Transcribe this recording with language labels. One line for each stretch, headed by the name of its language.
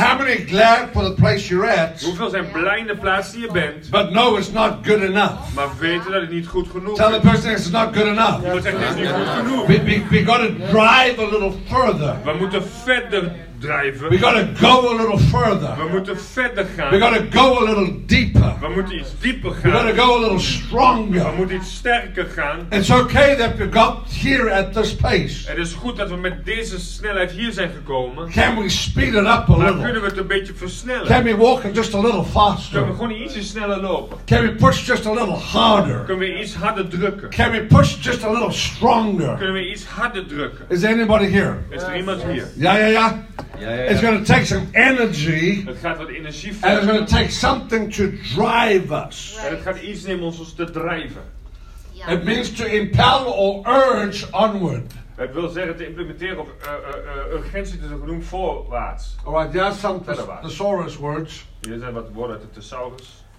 English: How many glad for the place you're at?
Dutch: Hoeveel zijn blij in de plaats die je bent?
English: But no, it's not good enough.
Dutch: Maar weten dat het niet goed genoeg is.
English: Tell the person it's not good enough. We got to drive a little further.
Dutch: We moeten verder drijven.
English: We got to go a little further.
Dutch: We moeten verder gaan.
English: We got to go a little deeper.
Dutch: We moeten iets dieper gaan.
English: We got to go a little stronger.
Dutch: We moeten iets sterker gaan.
English: It's okay that we got here at this pace.
Dutch: Het is goed dat we met deze snelheid hier zijn gekomen.
English: Can we speed it up a little?
Dutch: Maar kunnen we het een beetje versnellen?
English: Can we walk just a little faster?
Dutch: Kunnen we gewoon iets sneller lopen?
English: Can we push just a little harder?
Dutch: Kunnen we iets harder drukken?
English: Can we push just a little stronger?
Dutch: Kunnen we iets harder drukken?
English: Is there anybody here?
Dutch: Is er iemand hier?
English: Ja. It's going to take some energy.
Dutch: Het gaat wat energie
English: voor. And it's going to take something to drive us.
Dutch: En het gaat iets nemen om ons te drijven.
English: Yeah. It means to impel or urge onward.
Dutch: Het wil zeggen te implementeren of urgentie te genoemen voorwaarts.
English: All right, there are some thesaurus words.
Dutch: Hier zijn wat woorden uit de thesaurus.